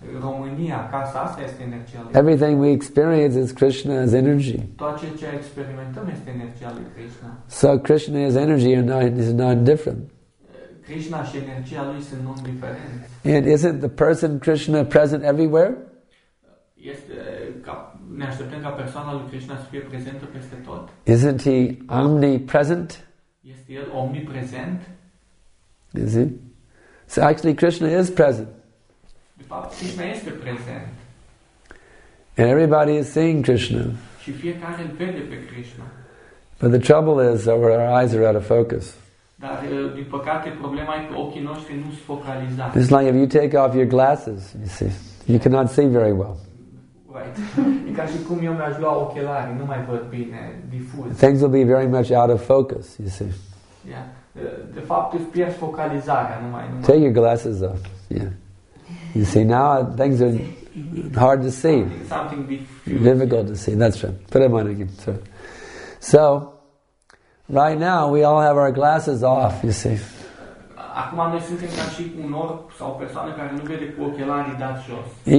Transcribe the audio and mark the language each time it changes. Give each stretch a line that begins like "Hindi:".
Romanian: România, casa asta este energia lui.
English: Everything we experience is Krishna's energy.
Romanian: Tot ce experimentăm este energia lui Krishna.
English: So Krishna is energy and is not different.
Romanian: Krishna și energia lui sunt non-diferent.
English: And isn't the person Krishna present everywhere?
Romanian: Este ca, ne așteptăm ca persoana lui Krishna să fie prezentă peste tot.
English: Isn't he omnipresent?
Romanian: Este el omniprezent?
English: Is he? So actually Krishna is present.
Romanian: De fapt, Krishna este prezent.
English: And everybody is seeing Krishna.
Romanian: Și fiecare îl vede pe Krishna.
English: But the trouble is that our eyes are out of focus.
Romanian: Dar, din păcate, problema e că ochii noștri nu sunt focalizați.
English: It's like if you take off your glasses, you see, you cannot see very well. Right.
Romanian: E ca și cum eu mi-aș lua ochelari, nu mai văd bine, difuz.
English: Things will be very much out of focus, you see. Yeah.
Romanian: De fapt, îți pierzi focalizarea, numai.
English: Take your glasses off, yeah. You see, now things are hard to see. Something difficult to see. That's right. Put them on again. Sorry. So, right now, we all have our glasses off, you see.
Romanian: Acum noi suntem ca și un orb sau o persoană care nu vede cu ochelarii dați jos.